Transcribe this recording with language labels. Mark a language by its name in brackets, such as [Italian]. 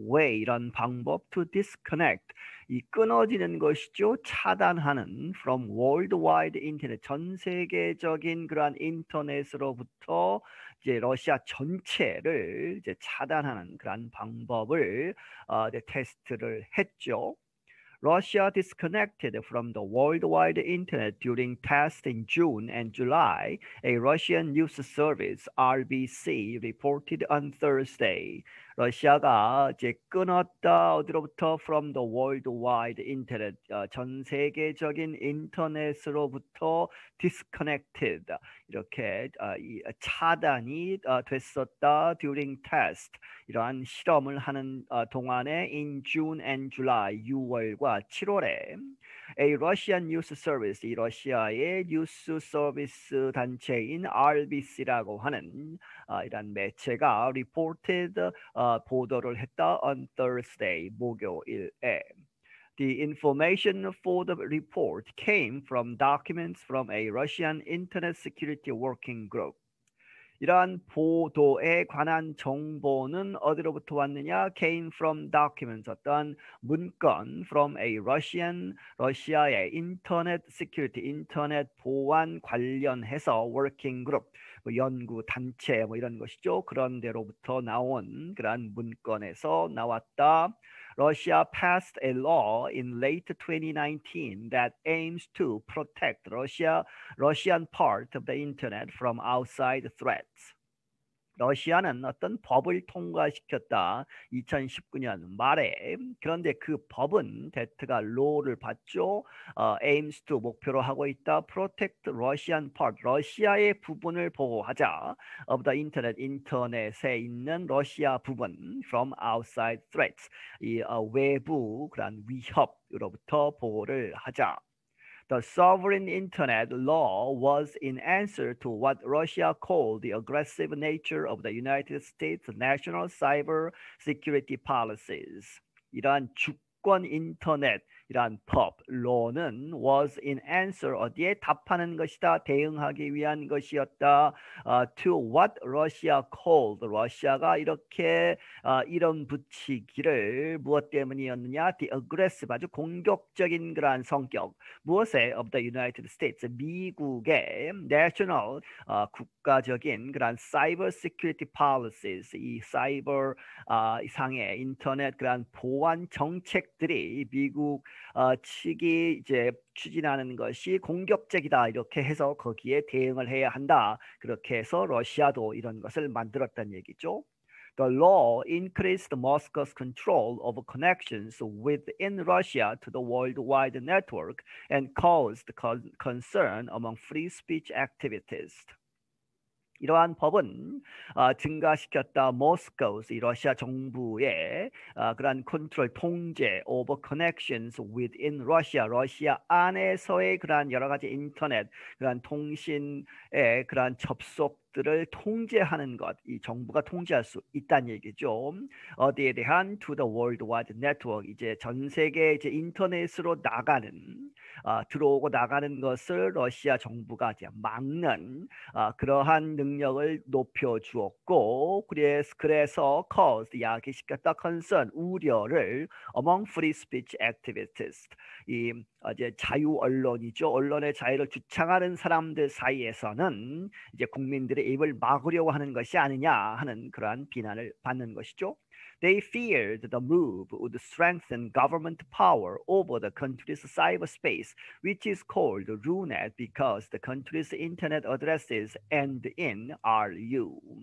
[Korean] way란 방법 [English] to disconnect. [Korean] 이 끊어지는 것이죠. 차단하는 [English] from worldwide internet. [Korean] 전 세계적인 그러한 인터넷으로부터 이제 러시아 전체를 이제 차단하는 그러한 방법을 테스트를 했죠. [English] Russia disconnected from the worldwide internet during tests in June and July, a Russian news service RBC reported on Thursday. [Korean] 러시아가 이제 끊었다. 어디로부터? [English] From the worldwide internet. [Korean] 전 세계적인 인터넷으로부터 [English] disconnected. [Korean] 이렇게 차단이 됐었다. [English] During test. [Korean] 이러한 실험을 하는 동안에 [English] in June and July, [Korean] 6월과 7월에 [English] A Russian news service, [Korean] 이 러시아의 뉴스 서비스 단체인 RBC라고 하는 이런 매체가 reported 보도를 했다 [English] on Thursday, [Korean] 목요일에. [English] The information for the report came from documents from a Russian internet security working group. [Korean] 이러한 보도에 관한 정보는 어디로부터 왔느냐? [English] Came from documents, [Korean] 어떤 문건 [English] from a Russian, [Korean] 러시아의 인터넷 시큐리티, 인터넷 보안 관련해서 [English] working group, [Korean] 뭐 연구 단체 뭐 이런 것이죠. 그런 데로부터 나온 그러한 문건에서 나왔다. [English] Russia passed a law in late 2019 that aims to protect Russian part of the internet from outside threats. [Korean] 러시아는 어떤 법을 통과시켰다. 2019년 말에. 그런데 그 법은 데트가 로우를 봤죠. [English] aims to [Korean] 목표로 하고 있다. [English] protect Russian part. [Korean] 러시아의 부분을 보호하자. [English] of the internet. [Korean] 인터넷에 있는 러시아 부분. [English] from outside threats. [Korean] 이 외부 그런 위협으로부터 보호를 하자. [English] The sovereign internet law was in answer to what Russia called the aggressive nature of the United States national cyber security policies. [Korean] 이러한 주권 인터넷, 이러한 법, law는 [English] was in answer, [Korean] 어디에 답하는 것이다, 대응하기 위한 것이었다, [English] to what Russia called, [Korean] 러시아가 이렇게 이름 붙이기를 무엇 때문이었느냐, the aggressive, 아주 공격적인 그러한 성격, 무엇에, [English] of the United States, [Korean] 미국의 national, 국가적인 그러한 [English] cyber security policies, [Korean] 이 cyber 상의 인터넷 그러한 보안 정책들이 미국 측이 이제 추진하는 것이 공격적이다. 이렇게 해서 거기에 대응을 해야 한다. 그렇게 해서 러시아도 이런 것을 만들었단 얘기죠. [English] The law increased Moscow's control of connections within Russia to the worldwide network and caused concern among free speech activists. [Korean] 이러한 법은 증가시켰다. Moscow's 이 러시아 정부의 그러한 컨트롤 통제 [English] over connections within Russia, [Korean] 러시아 안에서의 그러한 여러 가지 인터넷, 그러한 통신의 그러한 접속들을 통제하는 것, 이 정부가 통제할 수 있다는 얘기죠. 어디에 대한 [English] to the worldwide network, [Korean] 이제 전 세계 이제 인터넷으로 나가는. 들어오고 나가는 것을 러시아 정부가 이제 막는 그러한 능력을 높여주었고, 그래서 cause 야기시켰다 concern 우려를 [English] among free speech activists [Korean] 이 이제 자유 언론이죠. 언론의 자유를 주창하는 사람들 사이에서는 이제 국민들의 입을 막으려고 하는 것이 아니냐 하는 그러한 비난을 받는 것이죠. [English] They feared the move would strengthen government power over the country's cyberspace, which is called Runet because the country's internet addresses end in RU.